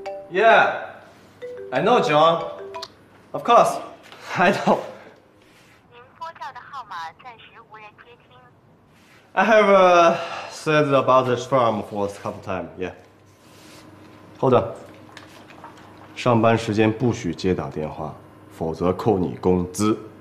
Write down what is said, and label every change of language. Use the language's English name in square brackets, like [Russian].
[English] Yeah, I know, John. Of course, I know. [Chinese] 您拨叫的号码暂时无人接听。 [English] I have said about this farm for a couple times. Yeah. Hold on. [Chinese] 上班时间不许接打电话，否则扣你工资。